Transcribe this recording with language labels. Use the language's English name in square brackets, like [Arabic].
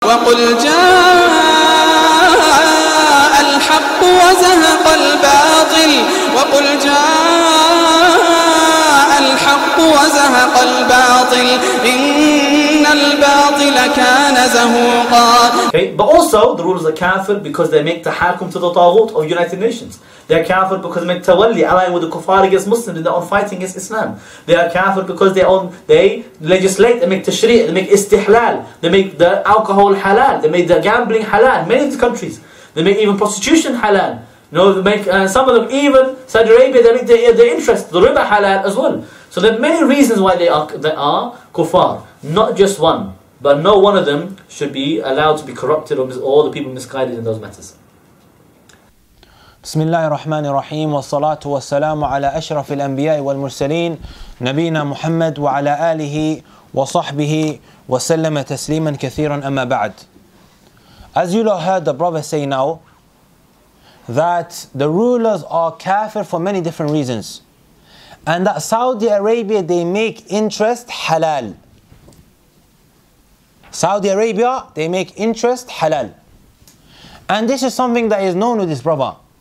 [Arabic] وقل جاء الحق وزهق الباطل وقل جاء الحق وزهق الباطل إن الباطل كان زهوقا. [English] Okay, but also the rulers are kafir because they make tahakum to the taghut of United Nations. They are kafir because they make tawalli, allying with the kuffar against Muslims, and they are fighting against Islam. They are kafir because they legislate, they make tashri', they make istihlal, they make the alcohol halal, they make the gambling halal, many of the countries. They make even prostitution halal. You know, they make some of them, even Saudi Arabia, they make their interest, the riba halal as well. So there are many reasons why they are kuffar. Not just one, but no one of them should be allowed to be corrupted or all the people misguided in those matters. [Arabic] بسم الله الرحمن الرحيم والصلاة والسلام على أشرف الأنبياء والمرسلين نبينا محمد وعلى آله وصحبه وسلم تسليما كثيرا أما بعد. [English] As you have heard the brother say now that the rulers are kafir for many different reasons and that Saudi Arabia they make interest halal. Saudi Arabia they make interest halal. And this is something that is known with this brother.